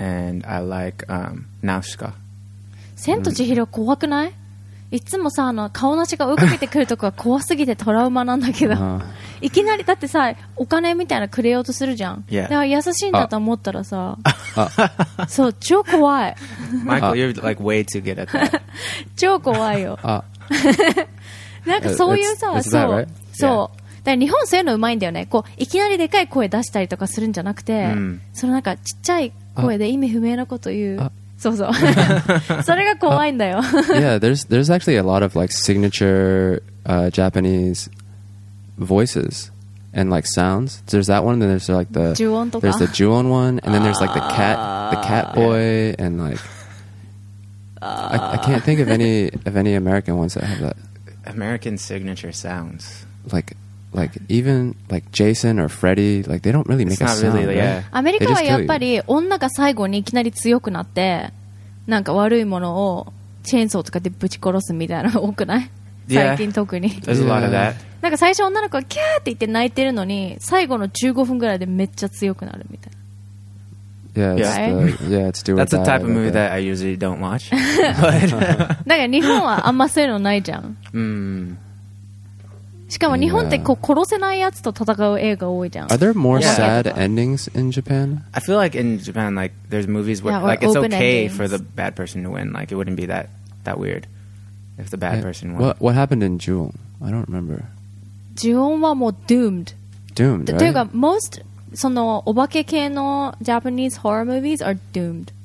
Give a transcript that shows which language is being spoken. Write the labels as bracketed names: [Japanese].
[English] And I like Nausicaa. [Japanese] Sen to Chihiro, 怖くない？いつもさ、あの、顔なしが追いかけてくるとこが怖すぎてトラウマなんだけど。いきなり、だってさ、お金みたいなくれようとするじゃん。 [English] Yeah. [Japanese] だから優しいんだと思ったらさ、そう、超怖い。 [English] Michael, you're like way too good at that. [Japanese] 超怖いよ。なんかそういうさ、そう。そう。だ日本そういうのうまいんだよね。こういきなりでかい声出したりとかするんじゃなくて、うん、そのなんかちっちゃい声で意味不明なこと言う。そうそう。それが怖いんだよ。 [English] Yeah, there's actually a lot of like signature Japanese voices and like sounds. There's that one, then there's like the [Japanese] Ju-on とか。 [English] There's the Ju-on one, and then there's like the cat boy and like I can't think of any American ones that have that. American signature sounds. Like even like Jason or Freddy, like they don't really make it's a not sound. Really, yeah. [Japanese] America はやっぱり女が最後にいきなり強くなって、なんか悪いものをチェーンソーとかでぶち殺すみたいなの多くない？ [English] Yeah. [Japanese] 最近特に。 [English] There's a lot of that. [Japanese] なんか最初女の子がキャーって言って泣いてるのに、最後の15分ぐらいでめっちゃ強くなるみたいな。 [English] Yeah, it's do or die. That's the type of movie that I usually don't watch. [Japanese] なんか日本はあんまそういうのないじゃん。しかも日本ってこう殺せないやつと戦う映画多いじゃん。 [English] Are there more sad endings in Japan? I feel like in Japan, like, there's movies where, like, it's okay for the bad person to win. Like, it wouldn't be that weird if the bad person won. What happened in Ju-on? I don't remember. [Japanese] Ju-on はもう doomed. [English] Doomed, right? [Japanese] というか、 [English] most [Japanese] そのお化け系の [English] Japanese horror movies are doomed.